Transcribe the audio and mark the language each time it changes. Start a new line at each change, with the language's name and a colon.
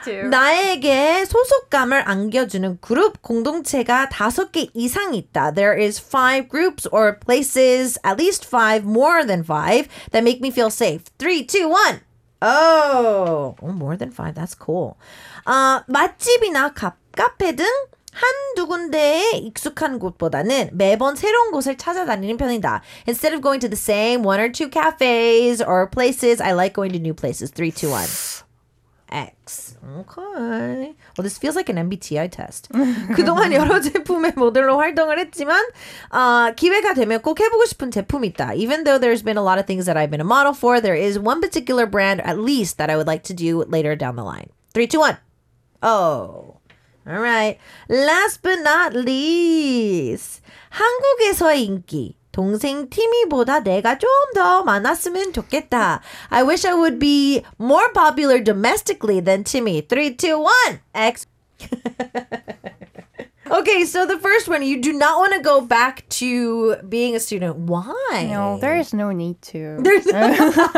Korean: 나에게 소속감을 안겨주는 그룹 공동체가 다섯 개 이상 있다.
English: There is 5 groups or places, at least 5, more than 5, that make me feel safe. 321. Oh, more than 5. That's cool.
Korean: 맛집이나 카페 등 한두 군데에 익숙한 곳보다는 매번 새로운 곳을 찾아다니는 편이다.
English: Instead of going to the same one or two cafes or places, I like going to new places. 3, 2, 1. X. Okay. Well, this feels like an MBTI test.
Korean: 그동안 여러 제품의 모델로 활동을 했지만 기회가 되면 꼭 해보고 싶은 제품이 있다.
English: Even though there's been a lot of things that I've been a model for, there is one particular brand at least that I would like to do later down the line. 3, 2, 1. Oh. All right. Last but not least.
Korean: 한국에서의 인기. 동생 티미보다 내가 좀 더 많았으면 좋겠다.
English: I wish I would be more popular domestically than Timmy. 3, 2, 1. X. Okay, so the first one, you do not want to go back to being a student. Why? No, there is no need to. There's no